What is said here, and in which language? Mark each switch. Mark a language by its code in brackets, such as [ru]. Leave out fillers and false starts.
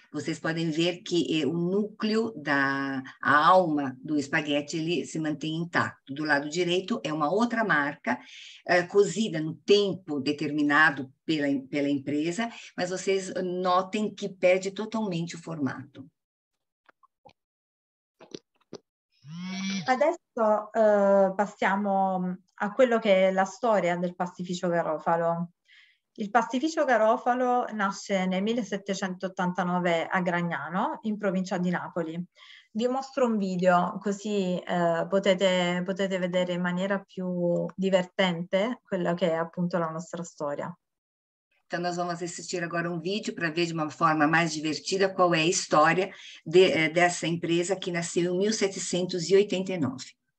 [pt] Vocês podem ver que o núcleo da a alma do espaguete ele se mantém intacto. Do lado direito é uma outra marca, cozida no tempo determinado pela empresa, mas vocês notem que perde totalmente o formato. [it] Adesso passiamo a quello che è la storia del pastificio Garofalo. Il pastificio Garofalo nasce nel 1789 a Gragnano, in provincia di Napoli. Vi mostro un video così potete vedere in maniera più divertente quella che è appunto la nostra storia. [pt] Então, nós vamos assistir agora um vídeo para ver de uma forma mais divertida qual é a história dessa empresa que nasceu em 1789.